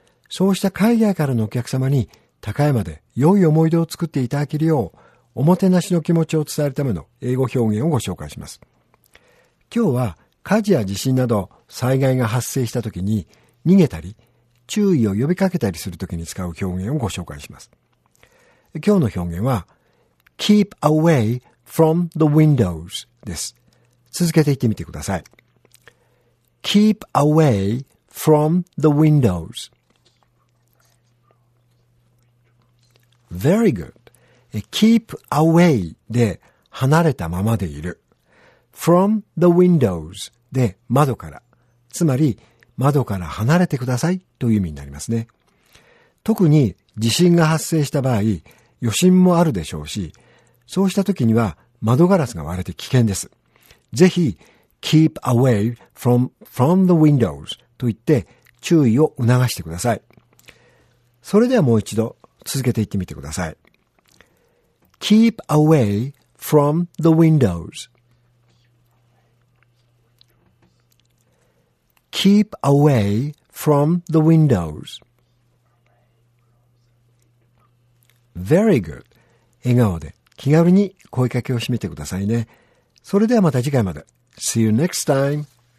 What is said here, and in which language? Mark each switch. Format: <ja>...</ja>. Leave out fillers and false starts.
<ja>そうした海外からのお客様に高山で良い思い出を作っていただけるよう、おもてなしの気持ちを伝えるための英語表現をご紹介します。今日は火事や地震など災害が発生した時に逃げたり、注意を呼びかけたりするときに使う表現をご紹介します。今日の表現は</ja> <en>Keep away from the windows</en> <ja>です。続けて言ってみてください。</ja> <en>Keep away from the windows. Very good.</en> <ja>Keep away で離れたままでいる。</ja> <en>From the windows</en> <ja>で窓から。つまり窓から離れてくださいという意味になりますね。特に地震が発生した場合、余震もあるでしょうし、そうした時には窓ガラスが割れて危険です。ぜひ、</ja> <en>keep away from the windows</en> <ja>と言って注意を促してください。それではもう一度続けていってみてください。</ja> <en>keep away from the windows. Keep away from the windows. Very good.</en> <ja>笑顔で気軽に声かけをしてみてくださいね。それではまた次回まで。</ja> <en>See you next time.</en>